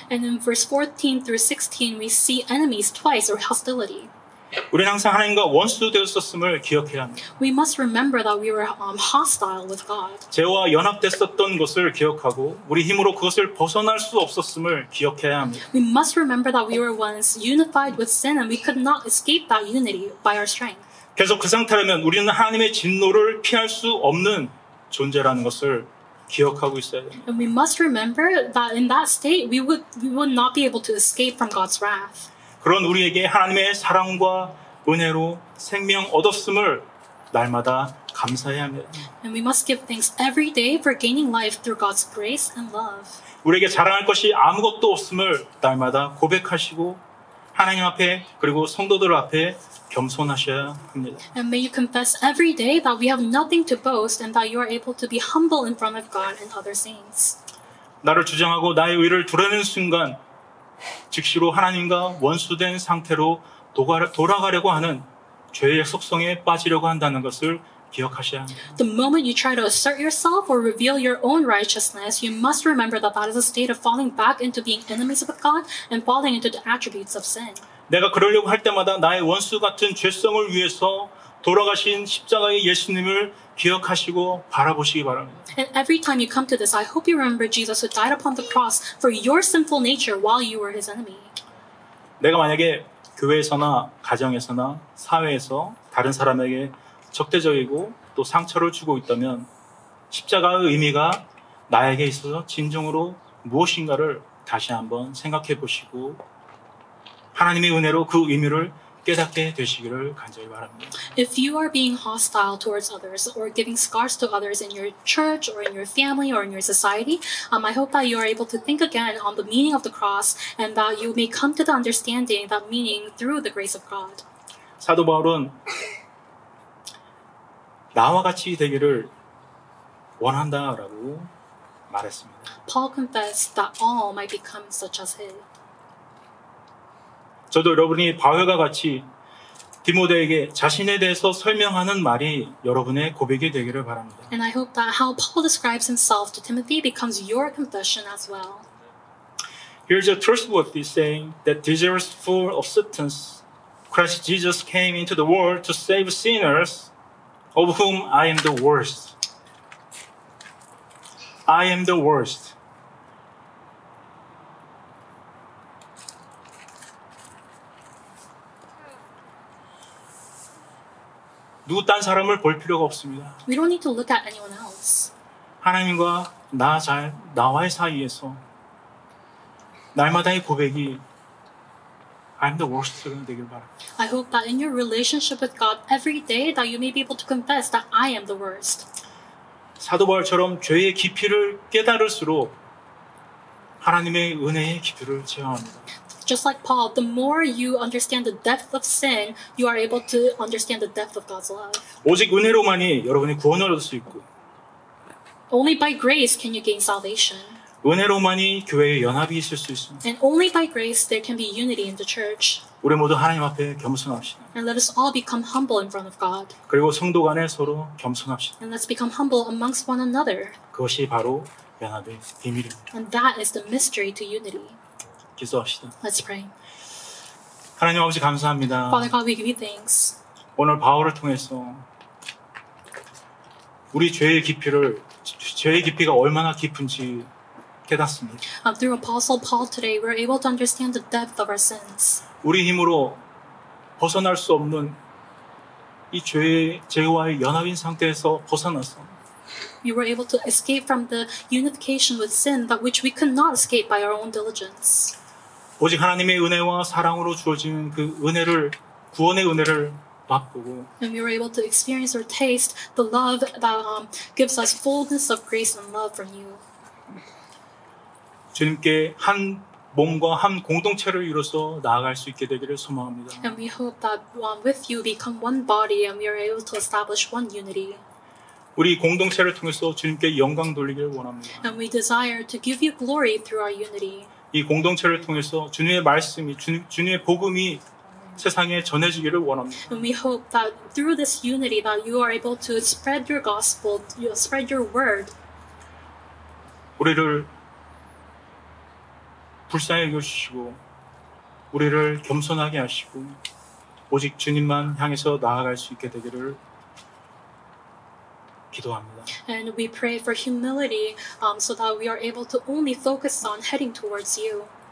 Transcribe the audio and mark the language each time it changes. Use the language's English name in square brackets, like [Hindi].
[English] And in verse 14 through 16, we see enemies twice or hostility. [Korean] 우리는 항상 하나님과 원수 되었었음을 기억해야 합니다. [English] We must remember that we were hostile with God. [Korean] 죄와 연합됐었던 것을 기억하고 우리 힘으로 그것을 벗어날 수 없었음을 기억해야 합니다. [English] We must remember that we were once unified with sin and we could not escape that unity by our strength. [Korean] 계속 그 상태라면 우리는 하나님의 진노를 피할 수 없는 존재라는 것을 기억하고 있어야 합니다. [English] And we must remember that in that state we would not be able to escape from God's wrath. [Korean] 그런 우리에게 하나님의 사랑과 은혜로 생명 얻었음을 날마다 감사해야 합니다. [English] And we must give thanks every day for gaining life through God's grace and love. [Korean] 우리에게 자랑할 것이 아무것도 없음을 날마다 고백하시고 하나님 앞에 그리고 성도들 앞에 겸손하셔야 합니다. [English] And may you confess every day that we have nothing to boast and that you are able to be humble in front of God and other saints. [Korean] 나를 주장하고 나의 의를 드러내는 순간 즉시로 하나님과 원수된 상태로 돌아가려고 하는 죄의 속성에 빠지려고 한다는 것을 기억하셔야 합니다. [English] The moment you try to assert yourself or reveal your own righteousness, you must remember that that is a state of falling back into being enemies of God and falling into the attributes of sin. [Korean] 내가 그러려고 할 때마다 나의 원수 같은 죄성을 위해서 돌아가신 십자가의 예수님을 기억하시고 바라보시기 바랍니다. [English] And every time you come to this, I hope you remember Jesus who died upon the cross for your sinful nature while you were his enemy. [Korean] 내가 만약에 교회에서나 가정에서나 사회에서 다른 사람에게 적대적이고 또 상처를 주고 있다면 십자가의 의미가 나에게 있어서 진정으로 무엇인가를 다시 한번 생각해 보시고 하나님의 은혜로 그 의미를 깨닫게 되시기를 간절히 바랍니다. [English] If you are being hostile towards others or giving scars to others in your church or in your family or in your society, I hope that you are able to think again on the meaning of the cross and that you may come to the understanding that meaning through the grace of God. [Korean] 사도 바울은 나와 같이 되기를 원한다라고 말했습니다. [English] Paul confessed that all might become such as him. [Korean] 저도 여러분이 바울과 같이 디모데에게 자신에 대해서 설명하는 말이 여러분의 고백이 되기를 바랍니다. [English] And I hope that how Paul describes himself to Timothy becomes your confession as well. Here's a trustworthy saying that deserves full acceptance. Christ Jesus came into the world to save sinners, of whom I am the worst. I am the worst. We don't need to look at anyone else. [Korean] 하나님과 나 잘 나와의 사이에서 날마다의 고백이 [English] I'm the worst [Korean] 되길 바랍니다. [English] I hope that in your relationship with God every day that you may be able to confess that I am the worst. [Korean] 사도 바울처럼 죄의 깊이를 깨달을수록 하나님의 은혜의 깊이를 체험합니다. [English] Just like Paul, the more you understand the depth of sin, you are able to understand the depth of God's love. [Korean] 오직 은혜로만이 여러분이 구원을 얻을 수 있고. [English] Only by grace can you gain salvation. [Korean] 은혜로만이 교회에 연합이 있을 수 있습니다. [English] And only by grace there can be unity in the church. [Korean] 우리 모두 하나님 앞에 겸손합시다. [English] And let us all become humble in front of God. [Korean] 그리고 성도 간에 서로 겸손합시다. [English] And let's become humble amongst one another. [Korean] 그것이 바로 연합의 비밀입니다. [English] And that is the mystery to unity. [Korean] 기도합시다. [English] Let's pray. [Korean] 하나님 아버지 감사합니다. [English] Father God, we give you thanks. [Korean] 오늘 바울을 통해서 우리 죄의 깊이를 죄의 깊이가 얼마나 깊은지 깨닫습니다. [English] Through Apostle Paul today, we're able to understand the depth of our sins. [Korean] 우리 힘으로 벗어날 수 없는 이 죄의 죄와의 연합인 상태에서 벗어나서. [English] We were able to escape from the unification with sin, that which we could not escape by our own diligence. [Korean] 오직 하나님의 은혜와 사랑으로 주어진 그 은혜를 구원의 은혜를 맛보고. [English] And we were able to experience or taste the love that gives us fullness of grace and love from you. [Korean] 주님께 한 몸과 한 공동체를 이루어서 나아갈 수 있게 되기를 소망합니다. [English] And we hope that with you become one body, and we are able to establish one unity. [Korean] 우리 공동체를 통해서 주님께 영광 돌리길 원합니다. [English] And we desire to give you glory through our unity. [Korean] 이 공동체를 통해서 주님의 말씀이 주님의 복음이 세상에 전해지기를 원합니다. [English] And we hope that through this unity that you are able to spread your gospel, you spread your word. [Korean] 우리를 불쌍히 여겨주시고 우리를 겸손하게 하시고 오직 주님만 향해서 나아갈 수 있게 되기를 기도합니다. [English] And we pray for humility so that we are able to only focus on heading towards you.